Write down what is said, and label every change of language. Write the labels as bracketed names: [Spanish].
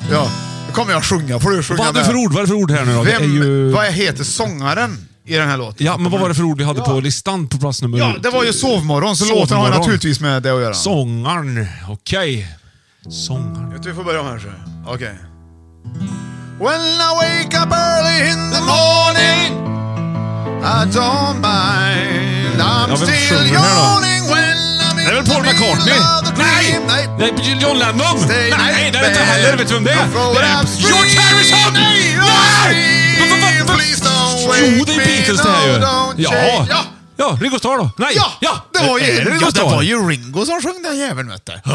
[Swedish] Ja. Kommer jag sjunga, får du sjunga. Vad är det för ord? Vad är det för ord här nu då? Vem, det är ju... Vad heter sångaren i den här låten? Ja, men vad var det för ord vi hade på listan på plats nummer? Ja, det var ju Sovmorgon, så Sovmorgon. Låten har naturligtvis med det att göra. Sångaren, okej. Okay. Sångaren. Jag tror vi får börja här så. Okej. [English] When I wake up early in the morning, I don't mind. I'm still yawning when [Swedish] det är väl Paul McCartney? Nej! Nej, John Lennon! Nej, det är inte heller, vet du vem det är? George Harrison! Nej! Jo, det är Beatles det här ju. Ja, Ringo Starr då? Nej! Ja, det var ju Ringo Starr. Det var ju Ringo som sjöng den jäveln, vet du.